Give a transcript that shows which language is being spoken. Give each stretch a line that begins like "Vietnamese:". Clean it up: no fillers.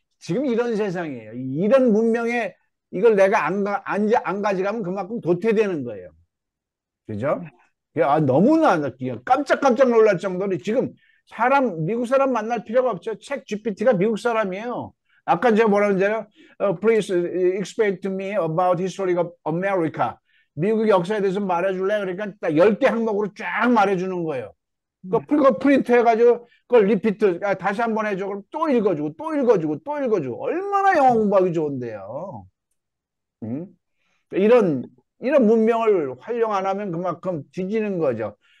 Korean: 지금 이런 세상이에요. 이런 문명에 이걸 내가 안 가져가면 그만큼 도태되는 거예요. 그죠? 아, 너무나 깜짝깜짝 놀랄 정도로 지금. 미국 사람 만날 필요가 없죠. 챗 GPT가 미국 사람이에요. 아까 제가 뭐라고 했잖아요.
English: Please explain to me about history of America.
Korean: 미국 역사에 대해서 말해줄래? 그러니까 딱 10개 항목으로 쫙 말해주는 거예요. 그거 프린트 해가지고 그걸 리피트, 다시 한번 해줘. 그럼 또 읽어주고, 또 읽어주고, 또 읽어주고. 얼마나 영어 공부하기 좋은데요. 이런 문명을 활용 안 하면 그만큼 뒤지는 거죠.